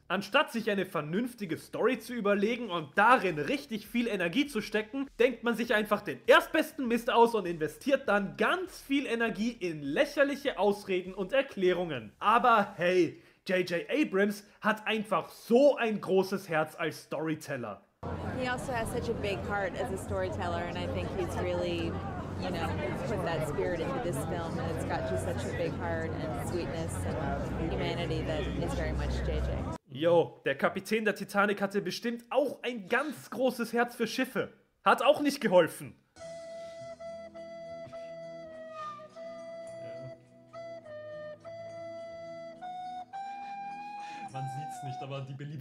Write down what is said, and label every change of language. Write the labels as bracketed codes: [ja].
[de] Anstatt sich eine vernünftige Story zu überlegen und darin richtig viel Energie zu stecken, denkt man sich einfach den erstbesten Mist aus und investiert dann ganz viel Energie in lächerliche Ausreden und Erklärungen. Aber hey, J.J. Abrams hat einfach so ein großes Herz als Storyteller. [en] He also has such a big heart as a storyteller, and I think he's really, you know, put that spirit into this film, and it's got just such a big heart and sweetness and humanity that is very much JJ. [de] Yo, der Kapitän der Titanic hatte bestimmt auch ein ganz großes Herz für Schiffe. Hat auch nicht geholfen. Man sieht's nicht, aber die Beliebtheit.